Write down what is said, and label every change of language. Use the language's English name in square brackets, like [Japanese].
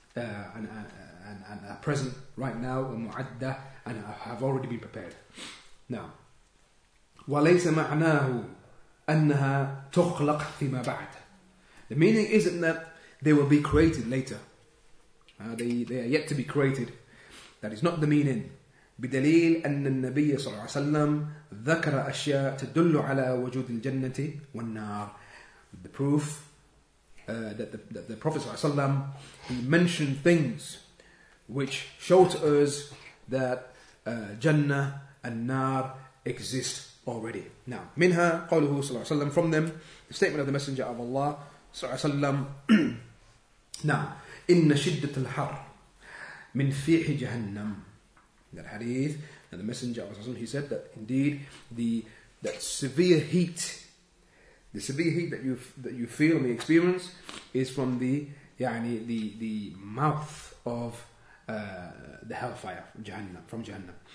[English] and are present right now, and have already been prepared. Now, [Arabic] وَلَيْسَ مَعْنَاهُ أَنَّهَا تُخْلَقْ فِيمَا بَعْدَ. [English] The meaning isn't that they will be created later. They are yet to be created. That is not the meaning. [Arabic] بدليل أن النبي صلى الله عليه وسلم ذكر أشياء تدل على وجود الجنة والنار. [English] The proof that the Prophet صلى الله عليه وسلم, he mentioned things which show to us that Jannah and Nar exist already. Now, [Arabic] منها قوله صلى الله عليه وسلم, [English] from them, the statement of the Messenger of Allah صلى الله عليه وسلم. Now, [Arabic] إن شدة الحر من فيح جهنم. [English] That hadith, and the Messenger of Allah, he said that indeed the severe heat that you feel and the experience is from the mouth of the hellfire, from Jahannam.